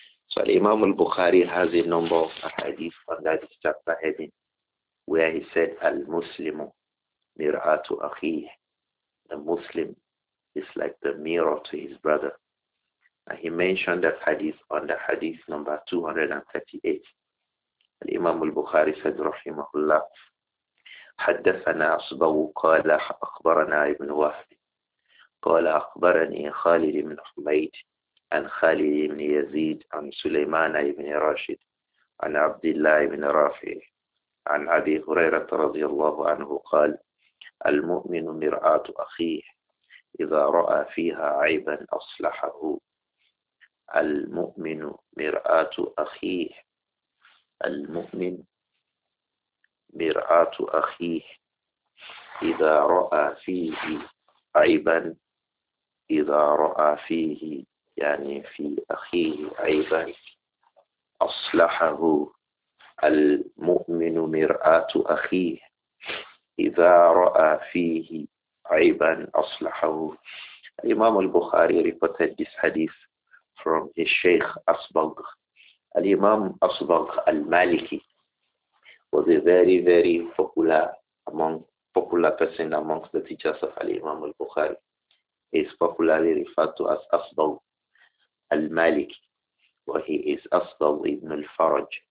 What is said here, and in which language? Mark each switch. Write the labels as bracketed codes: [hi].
[en] So Imam al-Bukhari has a number of hadith under this chapter heading, where he said, [ar] Al-Muslimu mir'atu akhih. [en] The Muslim is like the mirror to his brother. And he mentioned that hadith under hadith number 238. Al-Imam al-Bukhari said, [ar] Rahimahullah, حدثنا عصبه قال أخبرنا ابن وهب قال أخبرني خالد بن حميد عن خالد بن يزيد عن سليمان بن راشد عن عبد الله بن رافع عن أبي هريرة رضي الله عنه قال المؤمن مرآة أخيه إذا رأى فيها عيبا أصلحه المؤمن مرآة أخيه المؤمن مرآة أخيه إذا رأى فيه عيبا إذا رأى فيه يعني في أخيه عيبا أصلحه المؤمن مرآة أخيه إذا رأى فيه عيبا أصلحه الإمام البخاري [en] reported this hadith from his Sheikh Asbagh. الإمام Asbagh المالكي was a very, very popular person amongst the teachers of Al-Imam al-Bukhari. He is popularly referred to as Asbagh al-Maliki, where he is Asbagh ibn al-Faraj.